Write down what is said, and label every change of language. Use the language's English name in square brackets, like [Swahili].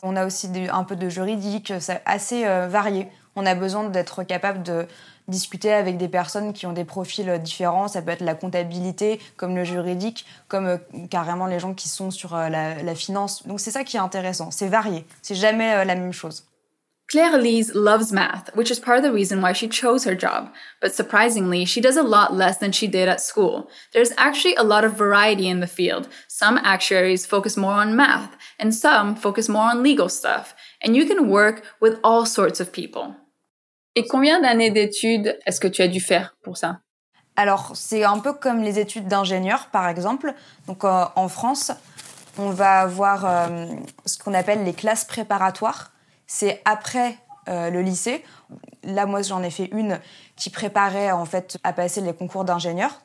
[French] On a aussi un peu de juridique, c'est assez varié. On a besoin d'être capable de discuter avec des personnes qui ont des profils différents. Ça peut être la comptabilité, comme le juridique, comme carrément les gens qui sont sur la finance. Donc c'est ça qui est intéressant. C'est varié. C'est jamais la même chose. [English] Claire-Lise loves math, which is part of the reason why she chose her job. But surprisingly, she does a lot less than she did at school. There's actually a lot of variety in the field. Some actuaries focus more on math, and some focus more on legal stuff. And you can work with all sorts of people. [French] Et combien d'années d'études est-ce que tu as dû faire pour ça? Alors, c'est un peu comme les études d'ingénieur, par exemple. Donc, en France, on va avoir ce qu'on appelle les classes préparatoires. C'est après le lycée. Là, moi, j'en ai fait une qui préparait, en fait, à passer les concours d'ingénieur.